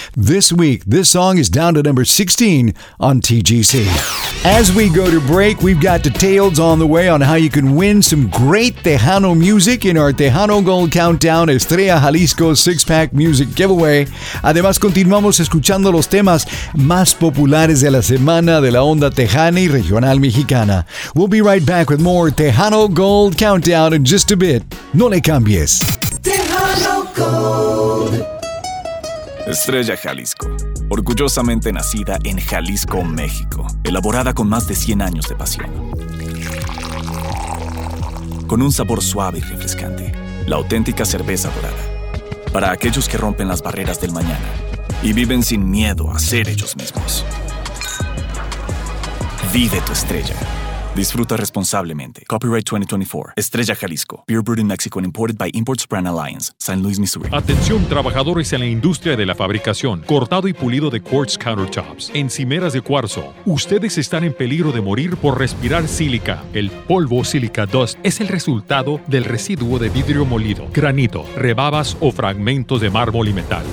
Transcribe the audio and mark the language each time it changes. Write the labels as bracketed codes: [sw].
[en] This week, this song is down to number 16 on TGC. As we go to break, we've got details on the way on how you can win some great Tejano music in our Tejano Gold Countdown Estrella Jalisco six-pack music giveaway. [es] Además, continuamos escuchando los temas más populares de la semana de la onda tejana y regional mexicana. [en] We'll be right back with more Tejano Gold Countdown in just a bit. [es] No le cambies. [en] Tejano Gold. [es] Estrella Jalisco. Orgullosamente nacida en Jalisco, México. Elaborada con más de 100 años de pasión. Con un sabor suave y refrescante. La auténtica cerveza dorada. Para aquellos que rompen las barreras del mañana y viven sin miedo a ser ellos mismos. Vive tu estrella. Disfruta responsablemente. Copyright 2024. Estrella Jalisco. [en] Beer brewed in Mexico and imported by Imports Brand Alliance. San Luis, Missouri. [es] Atención, trabajadores en la industria de la fabricación. Cortado y pulido de [en] quartz countertops. [es] Encimeras de cuarzo. Ustedes están en peligro de morir por respirar sílica. El polvo sílica dust es el resultado del residuo de vidrio molido, granito, rebabas o fragmentos de mármol y metal.